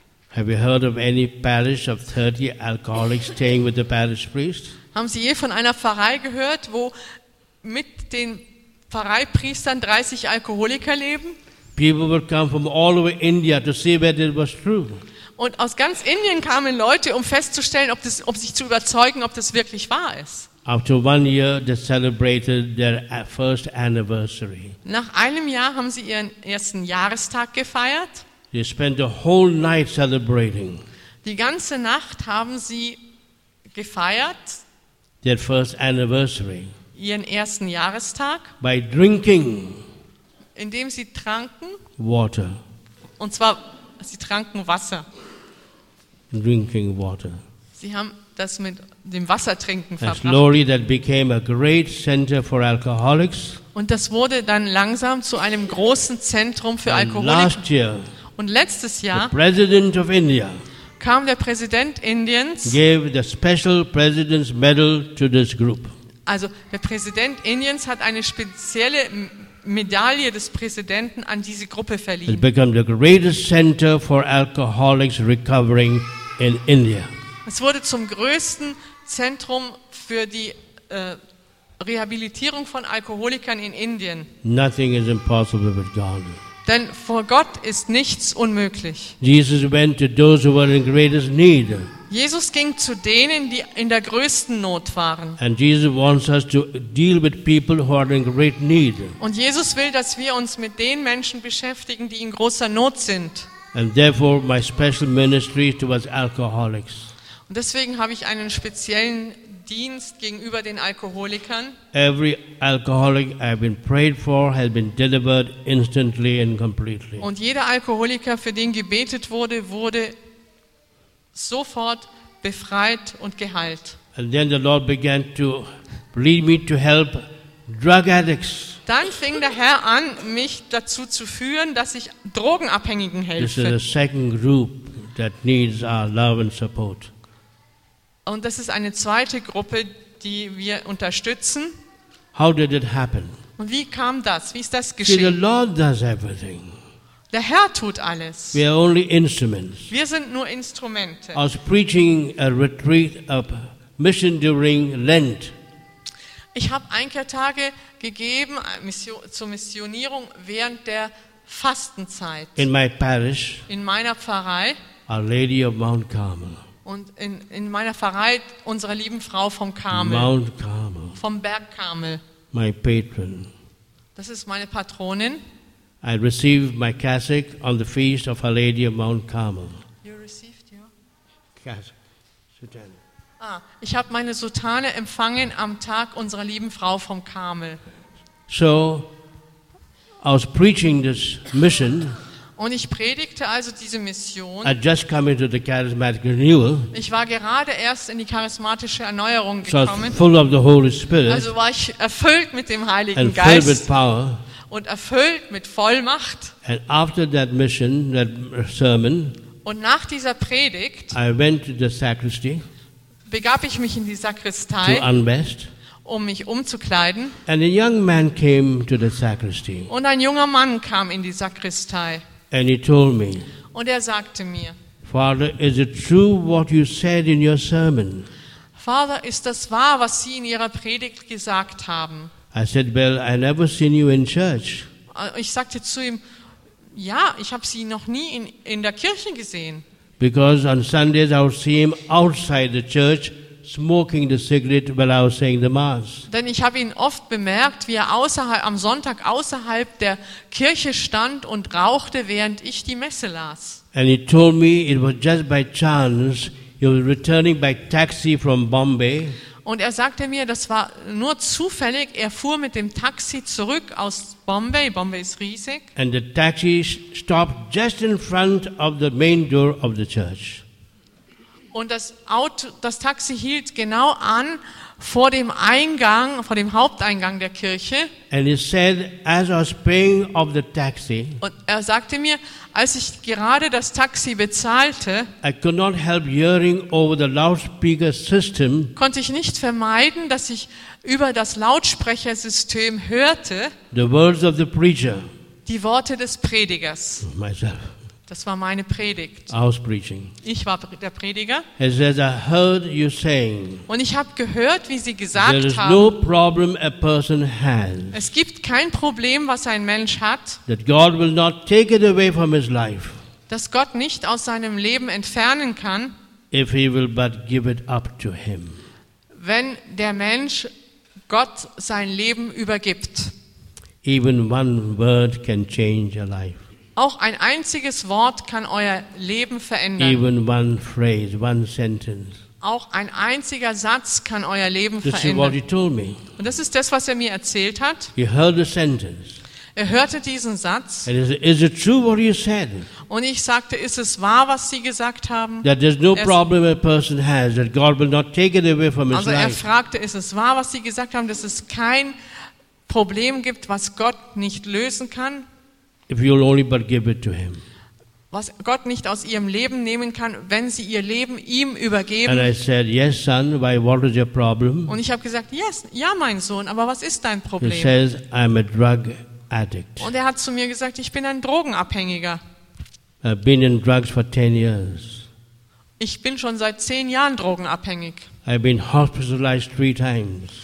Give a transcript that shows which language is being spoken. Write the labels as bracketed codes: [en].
[en] Have you heard of any parish of 30 alcoholics staying with the parish priest? [de] Haben Sie je von einer Pfarrei gehört, wo mit den Pfarreipriestern 30 Alkoholiker leben? [en] People would come from all over India to see whether it was true. [de] Und aus ganz Indien kamen Leute, um festzustellen, ob das wirklich wahr ist. [en] After 1 year, they celebrated their first anniversary. [de] Nach einem Jahr haben sie ihren ersten Jahrestag gefeiert. [en] They spent the whole night celebrating. [de] Die ganze Nacht haben sie gefeiert. [en] Their first anniversary. [de] Ihren ersten Jahrestag. [en] By drinking. [de] Indem sie tranken. [en] Water. [de] Und zwar, sie tranken Wasser. [en] Drinking water. [de] Sie haben das mit dem Wassertrinken verbracht. [en] And slowly that became a great center for alcoholics. [de] Und das wurde dann langsam zu einem großen Zentrum für Alkoholiker. Und letztes Jahr [en] the President of India [de] kam der Präsident Indiens, [en] gave the special President's medal to this group. [de] Also der Präsident Indiens hat eine spezielle Medaille des Präsidenten an diese Gruppe verliehen. [en] It became the greatest center for alcoholics recovering in India. [de] Es wurde zum größten Zentrum für die Rehabilitierung von Alkoholikern in Indien. [en] Nothing is impossible with God. [de] Denn vor Gott ist nichts unmöglich. [en] Jesus went to those who were in greatest need. [de] Jesus ging zu denen, die in der größten Not waren. [en] And Jesus wants us to deal with people who are in great need. [de] Und Jesus will, dass wir uns mit den Menschen beschäftigen, die in großer Not sind. [en] And therefore my special ministry towards alcoholics. [de] Deswegen habe ich einen speziellen Dienst gegenüber den Alkoholikern. [en] Every alcoholic I've been prayed for has been delivered instantly and completely. [de] Und jeder Alkoholiker, für den gebetet wurde, wurde sofort befreit und geheilt. [en] And then the Lord began to lead me to help drug addicts. [de] Dann fing der Herr an, mich dazu zu führen, dass ich Drogenabhängigen helfe. [en] This is the second group that needs our love and support. [de] Und das ist eine zweite Gruppe, die wir unterstützen. [en] How did it happen? [de] Und wie kam das? Wie ist das geschehen? [en] See, the Lord does everything. [de] Der Herr tut alles. [en] We are only instruments. [de] Wir sind nur Instrumente. [en] I was preaching a retreat, a mission during Lent. [de] Ich habe Einkehrtage gegeben zur Missionierung während der Fastenzeit. [en] In my parish. [de] In meiner Pfarrei. [en] A Lady of Mount Carmel. [de] Und in meiner Pfarrei, unserer lieben Frau vom Karmel. [en] Mount Carmel. [de] Vom Berg Karmel. [en] My patron. [de] Das ist meine Patronin. [en] I received my cassock on the feast of Our Lady of Mount Carmel. You received your cassock. Sutane. [de] Ah, ich habe meine Soutane empfangen am Tag unserer lieben Frau vom Karmel. [en] So, I was preaching this mission. [de] Und ich predigte also diese Mission. [en] I just come into the charismatic renewal. [de] Ich war gerade erst in die charismatische Erneuerung gekommen. [en] So full of the Holy Spirit. [de] Also war ich erfüllt mit dem Heiligen [en] and [de] Geist. [en] Filled with power. [de] Und erfüllt mit Vollmacht. [en] And after that mission, that sermon, [de] und nach dieser Predigt, [en] I went to the sacristy, [de] begab ich mich in die Sakristei, [en] to unvest, [de] um mich umzukleiden. [en] And a young man came to the sacristy. [de] Und ein junger Mann kam in die Sakristei. [en] And he told me, [de] und er sagte mir, [en] Father, is it true what you said in your sermon? [de] Vater, ist das wahr, was Sie in Ihrer Predigt gesagt haben? [en] I said, well, I never seen you in church. [de] Ich sagte zu ihm, ja, ich habe Sie noch nie in der Kirche gesehen. [en] Because on Sundays I would see him outside the church smoking the cigarette while I was saying the mass. [de] Denn ich habe ihn oft bemerkt, wie er außerhalb am Sonntag außerhalb der Kirche stand und rauchte, während ich die Messe las. [en] And he told me it was just by chance he was returning by taxi from Bombay. [de] Und er sagte mir, das war nur zufällig, er fuhr mit dem Taxi zurück aus Bombay. Bombay ist riesig. [en] And the taxi stopped just in front of the main door of the church. [de] Und das Auto, das Taxi hielt genau an vor dem Eingang, vor dem Haupteingang der Kirche. [en] And he said, as I was paying of the taxi, [de] und er sagte mir, als ich gerade das Taxi bezahlte, [en] I could not help hearing over the loudspeaker system, [de] konnte ich nicht vermeiden, dass ich über das Lautsprechersystem hörte, [en] the words of the preacher, [de] die Worte des Predigers. [en] Myself. [de] Das war meine Predigt. [en] I was preaching. [de] Ich war der Prediger. [en] He says, I heard you saying, [de] und ich habe gehört, wie Sie gesagt [en] there is [de] haben, [en] no problem a person has, [de] es gibt kein Problem, was ein Mensch hat, [en] that God will not take it away from his life, [de] dass Gott nicht aus seinem Leben entfernen kann, [en] if he will but give it up to him, [de] wenn der Mensch Gott sein Leben übergibt. [en] Even one word can change a life. [de] Auch ein einziges Wort kann euer Leben verändern. [en] Even one phrase, one sentence. [de] Auch ein einziger Satz kann euer Leben [en] this [de] verändern. [en] Is what he told me. [de] Und das ist das, was er mir erzählt hat. [en] He heard the sentence. [de] Er hörte diesen Satz. [en] And he said, is it true what you said? [de] Und ich sagte, ist es wahr, was Sie gesagt haben? [en] That there's no problem a person has, that God will not take it away from his life. [de] Also er fragte, ist es wahr, was Sie gesagt haben, dass es kein Problem gibt, was Gott nicht lösen kann? [en] If you'll only but give it to him. [de] Was Gott nicht aus ihrem Leben nehmen kann, wenn sie ihr Leben ihm übergeben. [en] And I said, yes, son, why, what is your problem? [de] Und ich habe gesagt, [en] yes, [de] ja, mein Sohn, aber was ist dein Problem? [en] He says, I'm a drug addict. [de] Und er hat zu mir gesagt, ich bin ein Drogenabhängiger. [en] I've been in drugs for 10 years. [de] Ich bin schon seit 10 Jahren drogenabhängig. [en] I've been hospitalized 3 times.